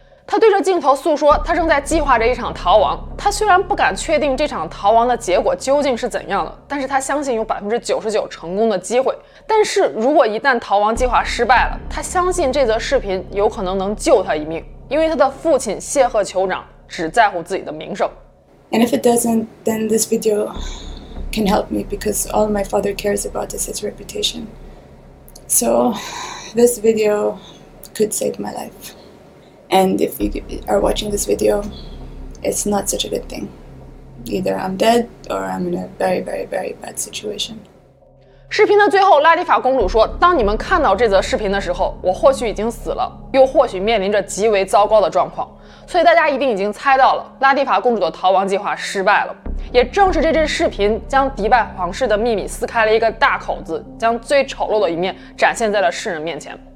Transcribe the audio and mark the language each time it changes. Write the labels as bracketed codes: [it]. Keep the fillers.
[zh] 他对着镜头诉说，他正在计划着一场逃亡。他虽然不敢确定这场逃亡的结果究竟是怎样的，但是他相信有百分之九十九成功的机会。但是如果一旦逃亡计划失败了，他相信这则视频有可能能救他一命，因为他的父亲谢赫酋长只在乎自己的名声。 [en] And if it doesn't, then this video can help me because all my father cares about is his reputation. So this video could save my life. And if you are watching this video, it's not such a good thing. Either I'm dead, or I'm in a very, very, very bad situation. [zh] 视频的最后，拉蒂法公主说：“当你们看到这则视频的时候，我或许已经死了，又或许面临着极为糟糕的状况。所以大家一定已经猜到了，拉蒂法公主的逃亡计划失败了。也正是这支视频将迪拜皇室的秘密撕开了一个大口子，将最丑陋的一面展现在了世人面前。